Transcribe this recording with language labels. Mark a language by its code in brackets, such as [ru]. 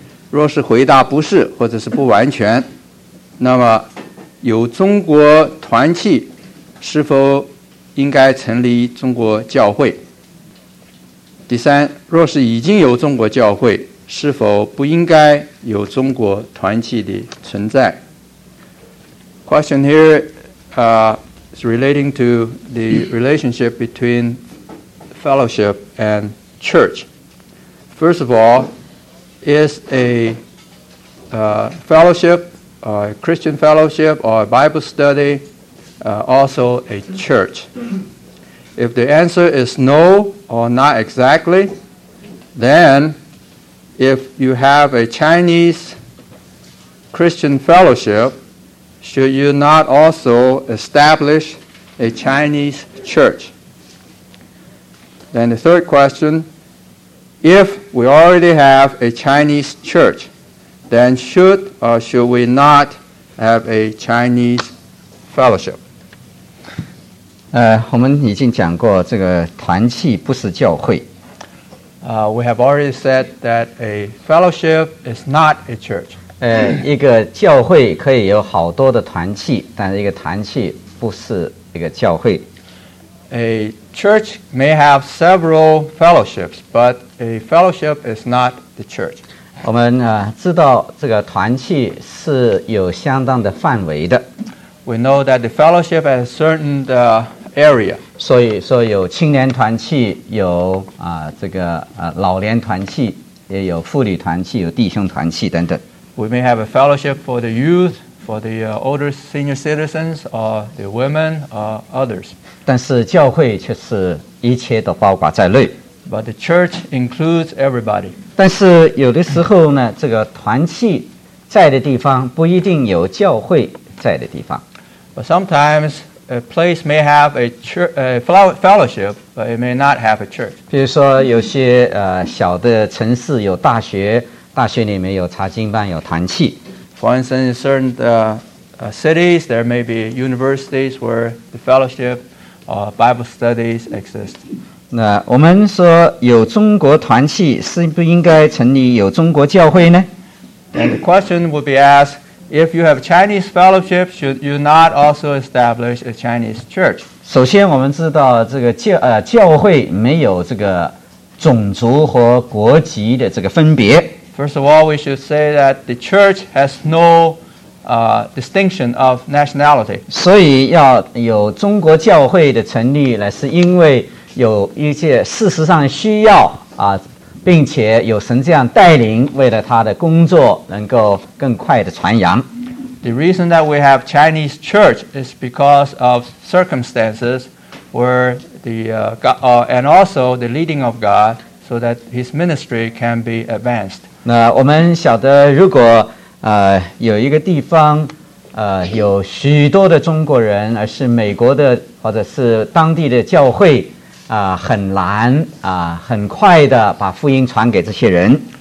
[zh] 若是回答不是或者是不完全，那么有中国团契是否应该成立中国教会。第三，若是已经有中国教会，是否不应该有中国团契的存在。 [en] Question here is relating to the relationship between fellowship and church. First of all, is a fellowship, a Christian fellowship or a Bible study also a church? If the answer is no or not exactly, thenIf you have a Chinese Christian fellowship, should you not also establish a Chinese church? Then the third question, if we already have a Chinese church, then should or should we not have a Chinese fellowship? [zh] 我们已经讲过这个团契不是教会。 [en] We have already said that a fellowship is not a church. [zh] 一个教会可以有好多的团契，但是一个团契不是一个教会。 [en] A church may have several fellowships, but a fellowship is not the church. [zh] 我们知道这个团契是有相当的范围的。 [en] We know that the fellowship has a certain area. [zh] 所以说有青年团契，有这个老年团契，也有妇女团契，有弟兄团契等等。 [en] We may have a fellowship for the youth, for the older senior citizens, or the women, or others. [zh] 但是教会却是一切都包括在内。 [en] But the church includes everybody. [zh] 但是有的时候呢，这个团契在的地方不一定有教会在的地方。 [en] But sometimes,A place may have a fellowship, but it may not have a church. [zh] 比如说有些小的城市有大学，大学里面有查经班，有团契。 [en] For instance, in certain cities, there may be universities where the fellowship or Bible studies exist. [zh] 那我们说有中国团契，是不应该成立有中国教会呢？ [en] And the question would be asked, If you have Chinese fellowship, should you not also establish a Chinese church? [zh] 首先我们知道这个 教会没有这个种族和国籍的这个分别。 [en] First of all, we should say that the church has no distinction of nationality. [zh] 所以要有中国教会的成立呢，是因为有一些事实上需要啊，并且有神这样带领，为了他的工作能够更快的传扬。 [en] The reason that we have Chinese church is because of circumstances where the and also the leading of God, so that His ministry can be advanced. [zh] 那我们晓得，如果有一个地方有许多的中国人，而是美国的或者是当地的教会很难很快的把福音传给这些人。